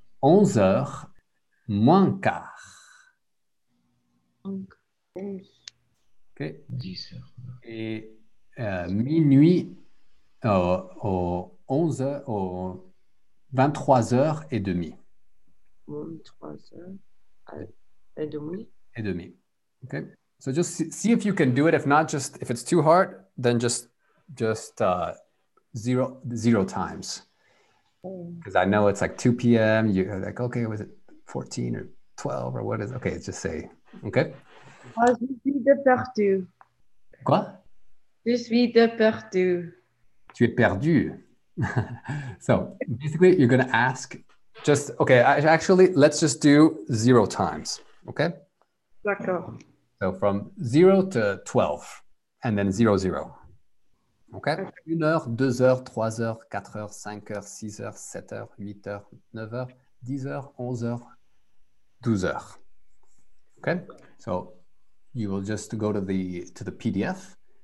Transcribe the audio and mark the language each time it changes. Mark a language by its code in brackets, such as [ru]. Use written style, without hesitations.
[fr] 11 heures moins quart. Ok. 10 heures. Et minuit au 11 heures, au 23 heures et demi. 23 heures et demi. Et demi. Ok. [en] So just see if you can do it. If not, just if it's too hard, then zero times. Because I know it's like 2 p.m. You're like, okay, was it 14 or 12 or what is it? Okay, just say. Ok. [fr] Je suis de perdu. Quoi? Je suis de perdu. Tu es perdu. [en] So, basically, you're going to ask just, okay, actually, let's just do zero times, okay? [fr] D'accord. [en] So, from 0 to 12, and then 0, 0. Okay? [fr] 1 heure, 2 heures, 3 heures, 4 heures, 5 heures, 6 heures, 7 heures, 8 heures, 9 heures, 10 heures, 11 heures, 12 heures. [en] Okay? So, you will just go to the PDF.